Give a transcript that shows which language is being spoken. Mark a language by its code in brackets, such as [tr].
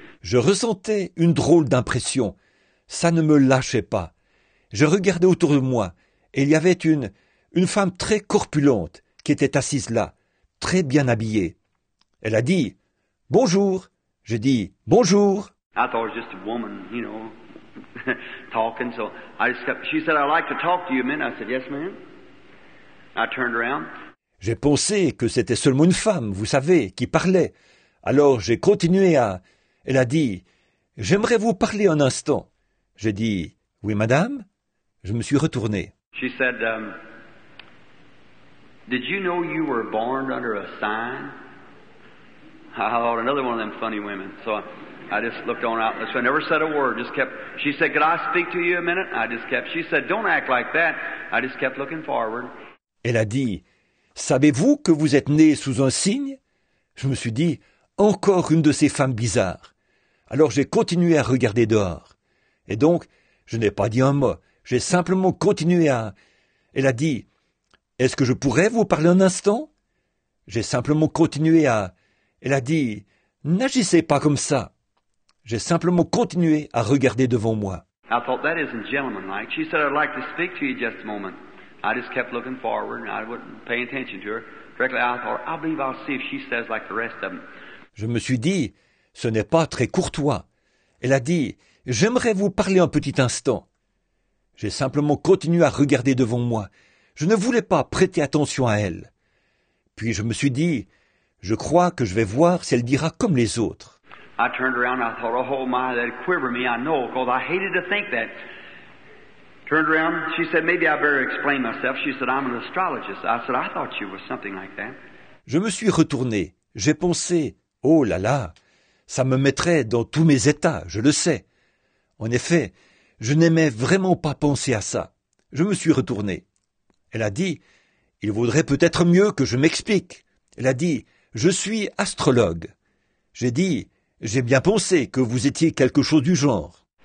[fr] Je ressentais une drôle d'impression. Ça ne me lâchait pas. Je regardais autour de moi et il y avait une femme très corpulente qui était assise là, très bien habillée. Elle a dit, "Bonjour." Je dis, "Bonjour." [en] I thought it was just a woman, you know, talking. So I just kept, she said, "I'd like to talk to you a minute." I said, "Yes, ma'am." I turned around. [fr] J'ai pensé que c'était seulement une femme, vous savez, qui parlait. Alors j'ai continué à... Elle a dit, "J'aimerais vous parler un instant." J'ai dit, "Oui, madame." Je me suis retourné. [en] She said, "Did you know you were born under a sign?" I thought another one of them funny women. So I just looked on out. So I never said a word. Just kept. She said, "Could I speak to you a minute?" I just kept. She said, "Don't act like that." I just kept looking forward. [fr] Elle a dit, "Savez-vous que vous êtes né sous un signe?" Je me suis dit, encore une de ces femmes bizarres. Alors j'ai continué à regarder dehors. Et donc, je n'ai pas dit un mot. J'ai simplement continué à... Elle a dit, est-ce que je pourrais vous parler un instant? J'ai simplement continué à... Elle a dit, n'agissez pas comme ça. J'ai simplement continué à regarder devant moi. [en] I thought that isn't gentlemanlike. She said, I'd like to speak to you just a moment. I just kept looking forward and I wouldn't pay attention to her. Directly, I thought, I believe I'll see if she says like the rest of them. [fr] Je me suis dit, ce n'est pas très courtois. Elle a dit, j'aimerais vous parler un petit instant. J'ai simplement continué à regarder devant moi. Je ne voulais pas prêter attention à elle. Puis je me suis dit, je crois que je vais voir si elle dira comme les autres. [en] I turned around, I thought, oh my, that'd quiver me, I know, because I hated to think that. Turned around, she said, maybe I better explain myself. She said, I'm an astrologist. I said, I thought you were something like that. [fr] Je me suis retourné. J'ai pensé, oh là là, ça me mettrait dans tous mes états, je le sais. En effet, je n'aimais vraiment pas penser à ça. Je me suis retourné. Elle a dit, il vaudrait peut-être mieux que je m'explique. Elle a dit, je suis astrologue. J'ai dit, j'ai bien pensé que vous étiez quelque chose du genre.